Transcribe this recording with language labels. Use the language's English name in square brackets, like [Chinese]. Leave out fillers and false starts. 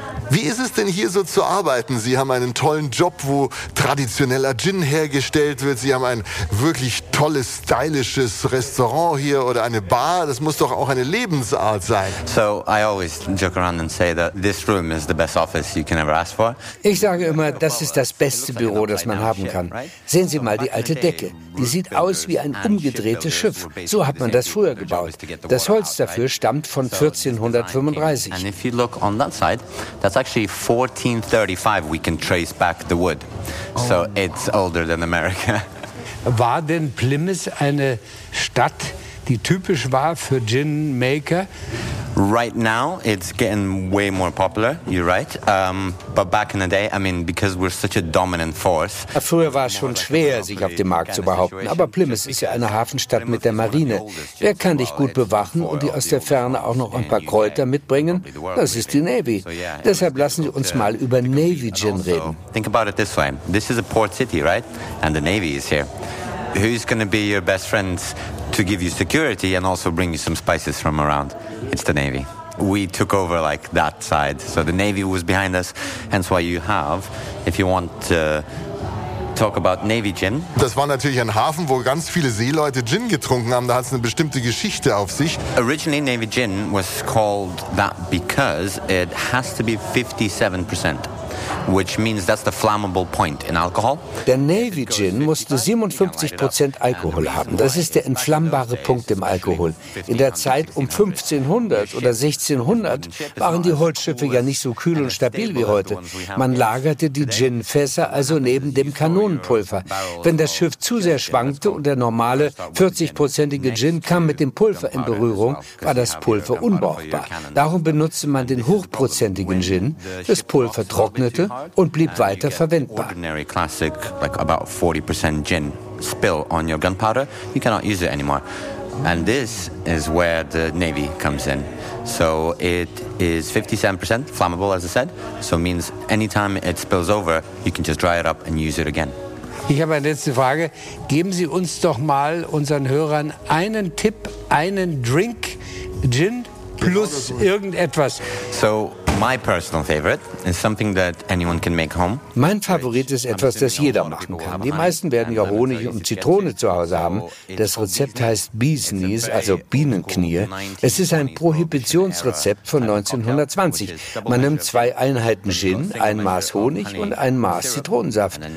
[German] Wie ist es denn hier so zu arbeiten? Sie haben einen tollen Job, wo traditioneller Gin hergestellt wird. Sie haben ein wirklich tolles, stylisches Restaurant hier oder eine Bar. Das muss doch auch eine Lebensart sein. [English] So, I always joke around and say that this room is the best office you can ever ask for. [German] Ich sage immer, das ist das beste Büro, das man haben kann. Sehen Sie mal die alte Decke. Die sieht aus wie ein umgedrehtes Schiff. So hat man das früher gebaut. Das Holz dafür stammt von 1435. [English] And if you look on that side, that's actually 1435. We can trace back the wood. So it's older than America. [German] War denn Plymouth eine Stadt, die typisch war für Gin Maker? [English] Right now, it's getting way more popular, you're right. But back in the day, I mean, because we're such a dominant force. [German] Früher war es schon schwer, sich auf dem Markt zu behaupten. Aber Plymouth ist ja eine Hafenstadt mit der Marine. Wer kann dich gut bewachen und dir aus der Ferne auch noch ein paar Kräuter mitbringen? Das ist die Navy. Deshalb lassen Sie uns mal über Navy Gin reden. [English] Think about it this way. This is a port city, right? And the Navy is here. Who's going to be your best friend to give you security and also bring you some spices from around? It's the Navy. We took over like that side. So the Navy was behind us. Hence why you have, if you want to talk about Navy Gin. [German] Das war natürlich ein Hafen, wo ganz viele Seeleute Gin getrunken haben. Da hat es eine bestimmte Geschichte auf sich. [English] Originally Navy Gin was called that because it has to be 57%. Which means that's the flammable point in alcohol. [German] Der Navy Gin musste 57% Alkohol haben. Das ist der entflammbare Punkt im Alkohol. In der Zeit um 1500 oder 1600 waren die Holzschiffe ja nicht so kühl und stabil wie heute. Man lagerte die Gin-Fässer also neben dem Kanonenpulver. Wenn das Schiff zu sehr schwankte und der normale 40-prozentige Gin kam mit dem Pulver in Berührung, war das Pulver unbrauchbar. Darum benutzte man den hochprozentigen Gin, das Pulver trocknete und blieb weiter verwendbar. [English] Ordinary classic, like about 40% gin spill on your gunpowder, you cannot use it anymore. And this is where the Navy comes in. So it is 57% flammable, as I said. So means anytime it spills over, you can just dry it up and use it again. [German] Ich habe eine letzte Frage. Geben Sie uns doch mal unseren Hörern einen Tipp, einen Drink, Gin plus irgendetwas. [English] So, my personal favorite is something that anyone can make home. [German] Mein Favorit ist etwas, das jeder machen kann. Die meisten werden ja Honig und Zitrone zu Hause haben. Das Rezept heißt Bee's Knees, also Bienenknie. Es ist ein Prohibitionsrezept von 1920. Man nimmt zwei Einheiten Gin, ein Maß Honig und ein Maß Zitronensaft.